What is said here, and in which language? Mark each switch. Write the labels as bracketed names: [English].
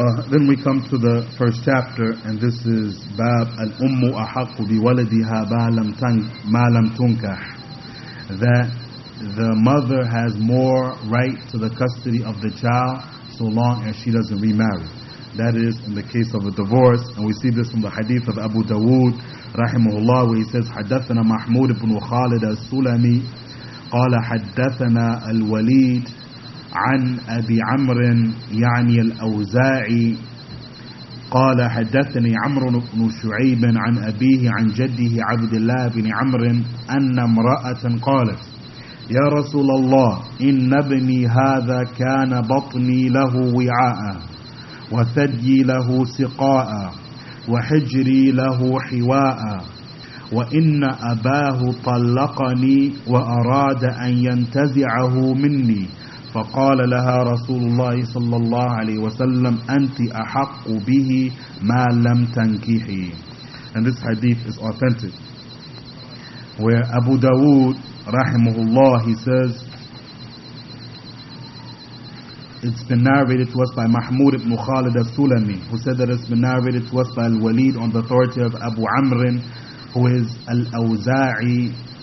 [English] Then we come to the first chapter, and this is [Arabic] Bab al-Ummu ahaqqu biwaladiha ma lam tunkah, [English] that the mother has more right to the custody of the child so long as she doesn't remarry. That is in the case of a divorce, and we see this from the hadith of Abu Dawood rahimahullah, where he says [Arabic] حدثنا محمود بن خالد السلمي قال حدثنا الوليد عن أبي عمر يعني الأوزاعي قال حدثني عمرو بن شعيب عن أبيه عن جده عبد الله بن عمر أن امرأة قالت يا رسول الله إن ابني هذا كان بطني له وعاء وثدي له سقاء وحجري له حواء وإن أباه طلقني وأراد أن ينتزعه مني فقال لها رسول الله صلى الله عليه وسلم أنت أحق به ما لم تنكحي. [English] And this hadith is authentic, where Abu Dawood rahimahullah, he says, it's been narrated to us by Mahmud ibn Khalid al-Sulami, who said that it's been narrated to us by al-Walid on the authority of Abu Amr, who is al-Awza'i,